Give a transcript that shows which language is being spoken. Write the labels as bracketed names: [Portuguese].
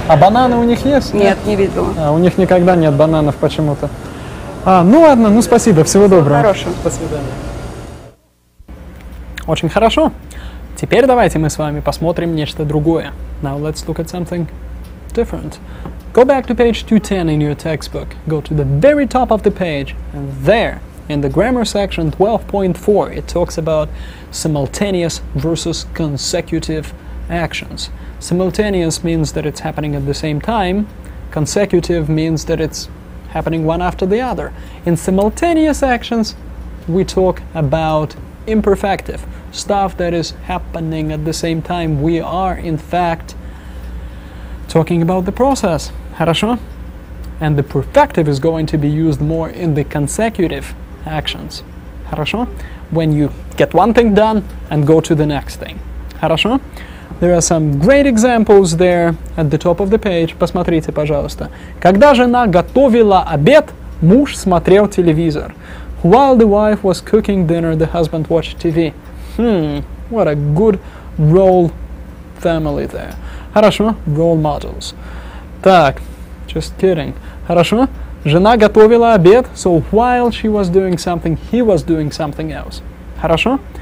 [Russian] А бананы у них есть? Нет, не видела. А, у них никогда нет бананов почему-то. А, ну ладно, ну спасибо, всего доброго. Хорошего. До свидания. Очень хорошо. Теперь давайте мы с вами посмотрим нечто другое. [English] Now let's look at something different. Go back to page 210 in your textbook. Go to the very top of the page, and there. In the grammar section 12.4, it talks about simultaneous versus consecutive actions. Simultaneous means that it's happening at the same time. Consecutive means that it's happening one after the other. In simultaneous actions, we talk about imperfective, stuff that is happening at the same time. We are, in fact, talking about the process. [Russian] Хорошо? [English] And the perfective is going to be used more in the consecutive actions. [Russian] Хорошо? [English] When you get one thing done and go to the next thing. [Russian] Хорошо? [English] There are some great examples there at the top of the page. [Russian] Посмотрите, пожалуйста. Когда жена готовила обед, муж смотрел телевизор. [English] While the wife was cooking dinner, the husband watched TV. What a good role family there. Хорошо? Role models. Так, just kidding. Хорошо? [Russian] Жена готовила обед, [English] so while she was doing something, he was doing something else. Хорошо?